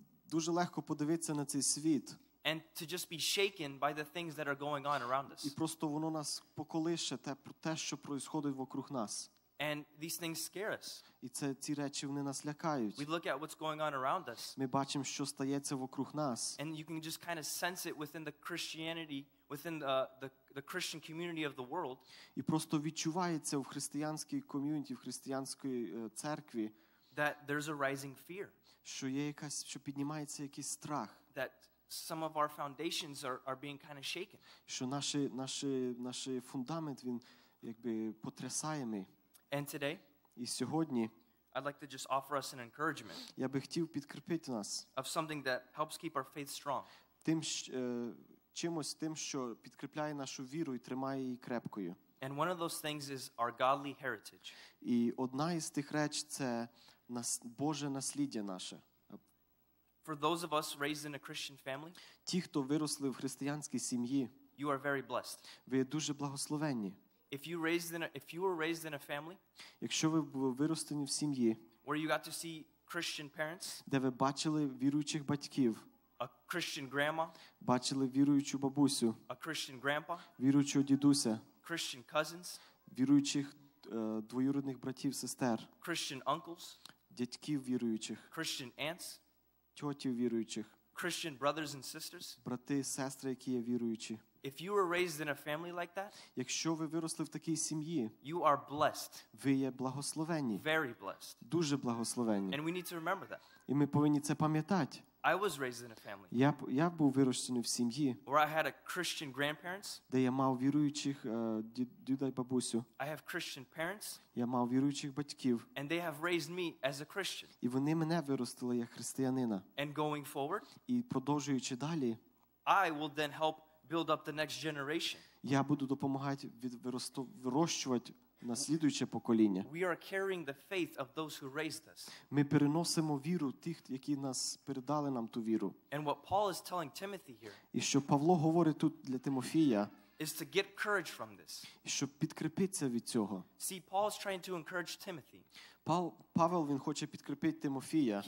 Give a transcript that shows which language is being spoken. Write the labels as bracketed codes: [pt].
[uk] Дуже легко подивитися на цей світ. [en] And to just be shaken by the things that are going on around us. [uk] І просто воно нас поколише те, про те, що відбувається вокруг нас. [en] And these things scare us. [uk] І це ці речі вони нас лякають. [en] We look at what's going on around us. [uk] Ми бачимо, що стається вокруг нас. [en] And you can just kind of sense it within the Christianity, within the Christian community of the world. [uk] І просто відчувається в християнській ком'юніті, в християнській церкві, [en] that there's a rising fear. [uk] Що є якась, що піднімається якийсь страх. [en] That some of our foundations are being kind of shaken. [uk] Що наш фундамент він якби потрясає ми. [en] And today, [uk] і сьогодні, [en] I'd like to just offer us an encouragement. [uk] Я би хотів підкріпити нас. [en] Of something that helps keep our faith strong. [uk] Тим, чимось тим, що підкріпляє нашу віру і тримає її крепкою. [en] And one of those things is our godly heritage. [uk] І одна із тих реч це Боже насліддя наше. [en] For those of us raised in a Christian family, [uk] ті, хто виросли в християнській сім'ї, [en] you are very blessed. [uk] Ви дуже благословенні. [en] If you were raised in a family, [uk] якщо ви були виростені в сім'ї, [en] where you got to see Christian parents, [uk] де ви бачили віруючих батьків, [en] a Christian grandma, [uk] бачили віруючу бабусю, [en] a Christian grandpa, [uk] віруючого дідуся, [en] Christian cousins, [uk] віруючих двоюрідних братів, сестер, [en] Christian uncles, [uk] дядьків віруючих, [en] Christian aunts, [uk] тьотів віруючих, [en] Christian brothers and sisters, [uk] брати і сестри, які є віруючі. [en] If you were raised in a family like that, [uk] якщо ви виросли в такій сім'ї, [en] you are blessed. [uk] Ви є благословенні. [en] Very blessed. [uk] Дуже благословенні. [en] And we need to remember that. [uk] І ми повинні це пам'ятати. [en] I was raised in a family. [uk] Я був вирощений в сім'ї. [en] Where I had a Christian grandparents. [uk] Де я мав віруючих діда і бабусю. [en] I have Christian parents. [uk] Я мав віруючих батьків. [en] And they have raised me as a Christian. [uk] І вони мене виростили як християнина. [en] And going forward, [uk] і продовжуючи далі, [en] I will then help build up the next generation. [uk] Я буду допомагати вирощувати наступне покоління. [en] We are carrying the faith of those who raised us. [uk] Ми переносимо віру тих, які нас передали нам ту віру. [en] And what Paul is telling Timothy here. [uk] І що Павло говорить тут для Тимофія? [en] Is to get courage from this. [uk] Щоб підкріпитися від цього. [en] See, Paul's trying to encourage Timothy. [uk] Павел він хоче підкріпити Тимофія.